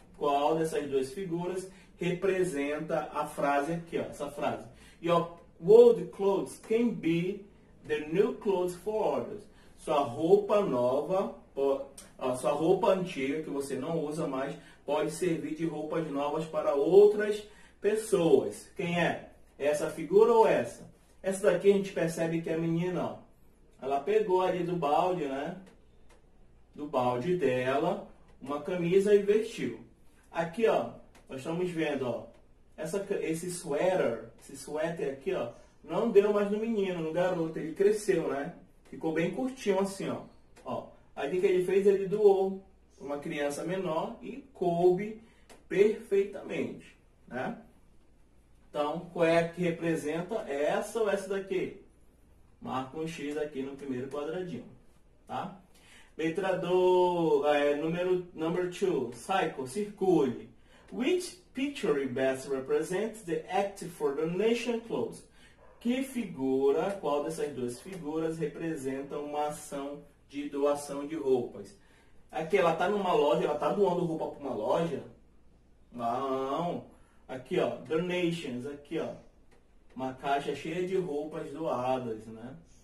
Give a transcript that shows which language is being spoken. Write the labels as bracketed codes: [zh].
[pt] Qual dessas duas figuras representa a frase aqui? Ó, essa frase. [en] Your old clothes can be the new clothes for others. [pt] Sua roupa nova... A sua roupa antiga, que você não usa mais, pode servir de roupas novas para outras pessoas. Quem é? Essa figura ou essa? Essa daqui a gente percebe que é a menina, ó. Ela pegou ali do balde, né? Do balde dela, uma camisa e vestiu. Aqui, ó, nós estamos vendo, ó. Esse suéter aqui, ó, não deu mais no menino, no garoto. Ele cresceu, né? Ficou bem curtinho assim, ó. Ó. Aí o que ele fez? Ele doou uma criança menor e coube perfeitamente, né? Então, qual é que representa essa ou essa daqui? Marca um X aqui no primeiro quadradinho, tá? Letra do... Número 2. Cycle, circule. [en] Which picture best represents the act for donation clothes? [pt] Que figura, qual dessas duas figuras representa uma ação de doação de roupas? Aqui ela está numa loja, ela está doando roupa para uma loja? Não. Aqui, ó, donations, aqui, ó, uma caixa cheia de roupas doadas, né?